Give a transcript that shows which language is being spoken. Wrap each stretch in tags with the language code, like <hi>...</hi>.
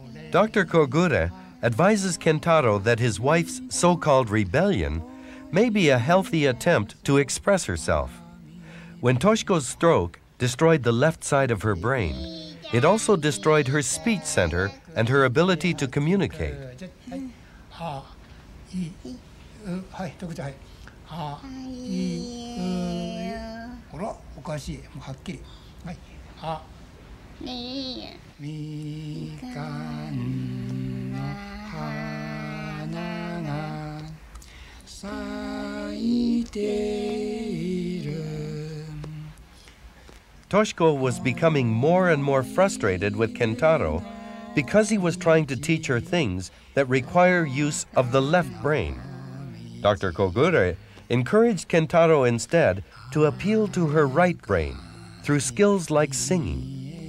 <en>Dr. Kogura advises Kentaro that his wife's so-called rebellion may be a healthy attempt to express herself. When Toshiko's stroke destroyed the left side of her brain, it also destroyed her speech center and her ability to communicate.</en> <ja>はい、ドクター。はい。あ、いい。ほら、おかしい。はっきり。はい。あ、みかんの花が咲いている。</ja> <en>Toshiko was becoming more and more frustrated with Kentaro because he was trying to teach her things that require use of the left brain. Dr. Kogure encouraged Kentaro instead to appeal to her right brain through skills like singing.</en>